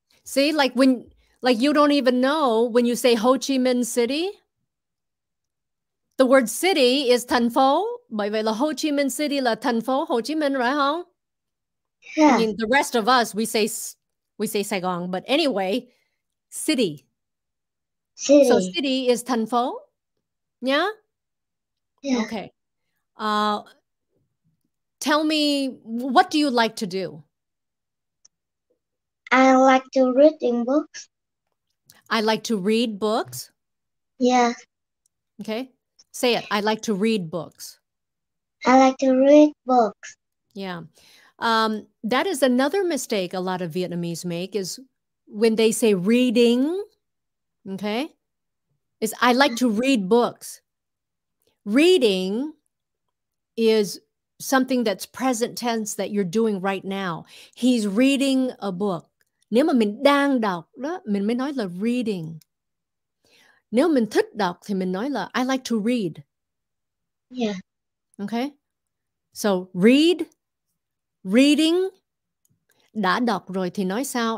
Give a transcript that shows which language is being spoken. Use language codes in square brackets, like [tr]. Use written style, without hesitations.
[en] See, like when, like you don't even know when you say Ho Chi Minh City. The word city is thành phố. [vi] Bởi vậy là Ho Chi Minh City là thành phố Ho Chi Minh, right? Huh? [en] Yeah. I mean, the rest of us, we say Sài Gòn. But anyway, city. City. So city is thành phố. Yeah? Yeah. Okay. Tell me, what do you like to do? I like to read in books. I like to read books? Yeah. Okay. Say it. I like to read books. I like to read books. Yeah. That is another mistake a lot of Vietnamese make is when they say reading, okay, is I like to read books. Reading is something that's present tense that you're doing right now. He's reading a book. [vi] Nếu mà mình đang đọc đó, mình mới nói là reading. Nếu mình thích đọc thì mình nói là [en] I like to read. Yeah. Okay. So read, reading, [vi] đã đọc rồi thì nói sao?